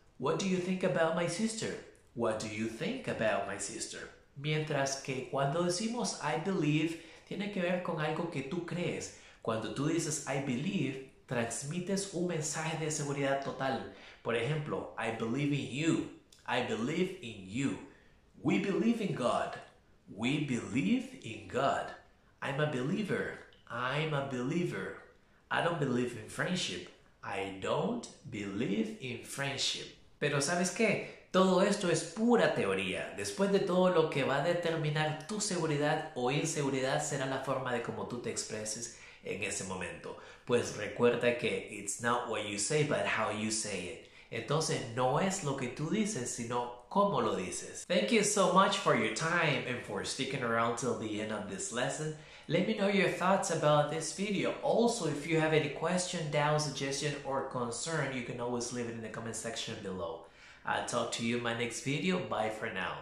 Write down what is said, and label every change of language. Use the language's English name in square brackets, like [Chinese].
[English] What do you think about my sister? What do you think about my sister? [Spanish] Mientras que cuando decimos [English] I believe, [Spanish] tiene que ver con algo que tú crees. Cuando tú dices [English] I believe, [Spanish] transmites un mensaje de seguridad total. Por ejemplo, [English] I believe in you. I believe in you. We believe in God. We believe in God. I'm a believer. I'm a believer. I don't believe in friendship. I don't believe in friendship. [Spanish] Pero ¿sabes qué? Todo esto es pura teoría. Después de todo, lo que va a determinar tu seguridad o inseguridad será la forma de cómo tú te expreses en ese momento. Pues recuerda que [English] it's not what you say, but how you say it. [Spanish] Entonces no es lo que tú dices, sino cómo lo dices. [English] Thank you so much for your time and for sticking around till the end of this lesson. Let me know your thoughts about this video. Also, if you have any question, doubt, suggestion, or concern, you can always leave it in the comment section below. I'll talk to you in my next video. Bye for now.